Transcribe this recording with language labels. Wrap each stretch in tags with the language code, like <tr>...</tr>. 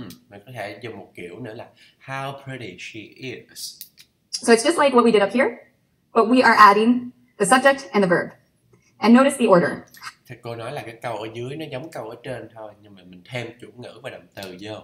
<vi>Mình có thể dùng một kiểu nữa là</vi> <en>how pretty she is. So it's just like what we did up here, but we are adding the subject and the verb. And notice the order.</en> <vi>Thì cô nói là cái câu ở dưới nó giống câu ở trên thôi, nhưng mà mình thêm chủ ngữ và động từ vô.</vi>